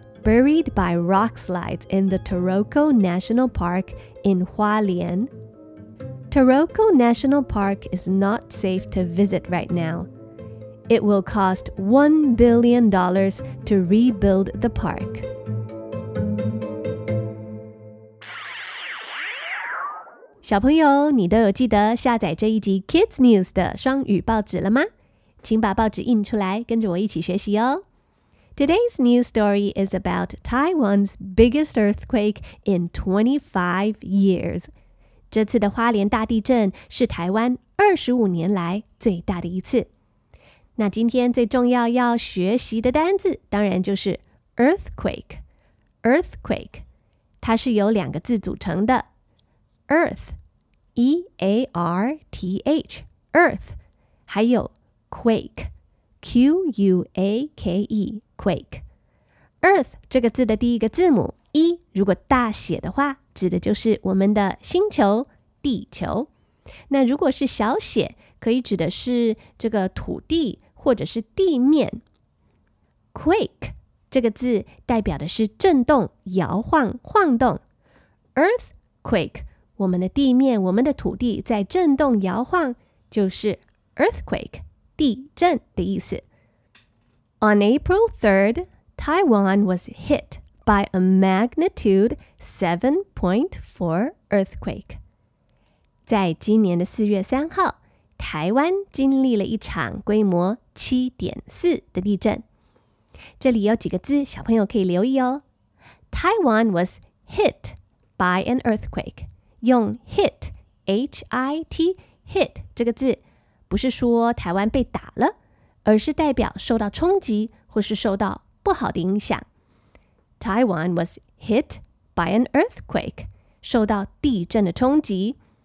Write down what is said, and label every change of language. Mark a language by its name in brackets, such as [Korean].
[English] Buried by rock slides in the Taroko National Park in Hualien. Taroko National Park is not safe to visit right now. It will cost $1 billion to rebuild the park. [Chinese] Children, 你都有记得下载这一集 Kids News 的双语报纸了吗？请把报纸印出来，跟着我一起学习哦。 [English] Today's news story is about Taiwan's biggest earthquake in 25 years. [Chinese] 这次的花莲大地震是台湾25年来最大的一次。那今天最重要要学习的单字当然就是 earthquake。 earthquake 它是由两个字组成的， earth E-A-R-T-H earth 还有 quake Q-U-A-K-E quake。 earth 这个字的第一个字母E 如果大写的话，指的就是我们的星球地球。那如果是小写，可以指的是这个土地或者是地面。 quake 这个字代表的是震动、摇晃、晃动。 earthquake 我们的地面、我们的土地在震动、摇晃，就是 earthquake 地震的意思。 [English] On April 3rd, Taiwan was hit by a magnitude 7.4 earthquake. [Chinese] 在今年的4月3号，台湾经历了一场规模 7.4 的地震。这里有几个字小朋友可以留意哦。 [English] Taiwan was hit by an earthquake. [Chinese] 用 hit, H-I-T, hit 这个字，不是说台湾被打了，而是代表受到冲击或是受到不好的影响。 [English] Taiwan was hit by an earthquake, [Chinese] 受到地震的冲击。